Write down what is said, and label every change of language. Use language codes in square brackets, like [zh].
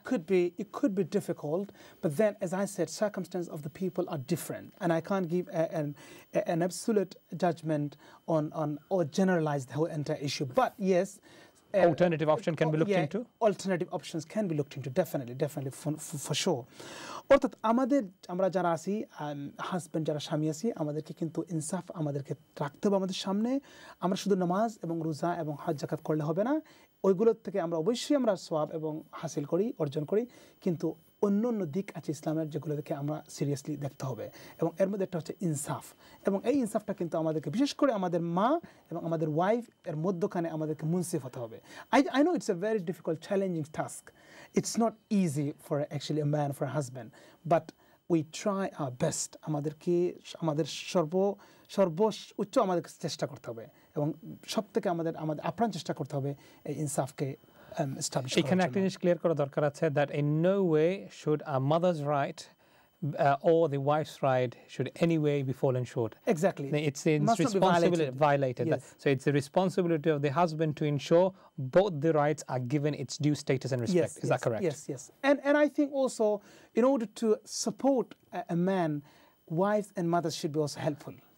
[en] It could be difficult, but then, as I said, circumstances of the people are different, and I can't give an absolute judgment on or generalize the whole entire issue. But yes. Alternative option can be looked into? Alternative options can be looked into, definitely, for sure. [bn] অর্থাৎ আমাদের আমরা যারা আছি husband যারা স্বামী আছি আমাদেরকে কিন্তু ইনসাফ আমাদেরকে রাখতে হবে আমাদের সামনে আমরা শুধু নামাজ এবং রোজা এবং হজ জাকাত করলে হবে না ওইগুলোর থেকে আমরা অবশ্যই আমরা সওয়াব এবং হাসিল করি অর্জন করি কিন্তু অন্য অন্য দিক আছে ইসলামের যেগুলো দেখে আমরা সিরিয়াসলি দেখতে হবে এবং এর মধ্যে একটা হচ্ছে ইনসাফ এবং এই ইনসাফটা কিন্তু আমাদেরকে বিশেষ করে আমাদের মা এবং আমাদের ওয়াইফ এর মধ্যখানে আমাদেরকে মুনসিফ হতে হবে [en] I know it's a very difficult challenging task it's not easy for actually a man for a husband but we try our best [bn] আমাদেরকে আমাদের সর্বোচ্চ আমাদেরকে চেষ্টা করতে হবে এবং সব থেকে আমাদের আপ্রাণ চেষ্টা করতে হবে এই ইনসাফকে এখানে একটা জিনিস ক্লিয়ার করা দরকার আছে [en] That in no way should a mother's right or the wife's right should anyway be fallen short. Exactly. It's the responsibility violated. Yes. So it's the responsibility of the husband to ensure both the rights are given its due status and respect. Yes, is that correct? Yes, yes. And I think also in order to support a man, wives and mothers should be also helpful.